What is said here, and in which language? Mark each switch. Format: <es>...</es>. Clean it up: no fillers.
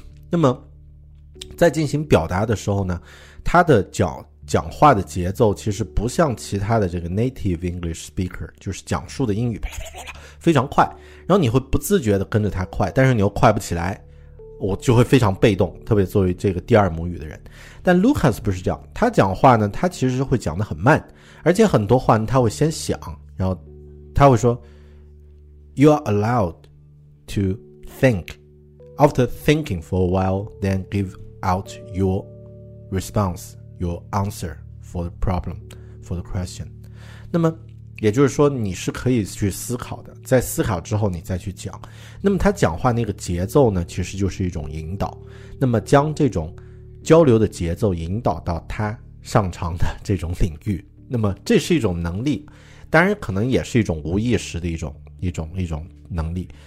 <zh>那么在进行表达的时候呢，他的讲话的节奏其实不像其他的这个</zh> <en>native English speaker,</en> <zh>就是讲述的英语非常快，然后你会不自觉的跟着他快，但是你又快不起来，我就会非常被动，特别作为这个第二母语的人。但 Lucas 不是这样，他讲话呢他其实会讲得很慢，而且很多话呢他会先想，然后他会说</zh> <en>You are allowed to think, after thinking for a while, then give out your response, your answer for the problem, for the question。</en> <zh>那么也就是说你是可以去思考的，在思考之后你再去讲。那么他讲话那个节奏呢其实就是一种引导，那么将这种交流的节奏引导到他擅长的这种领域，那么这是一种能力，当然可能也是一种无意识的一种能力。</zh>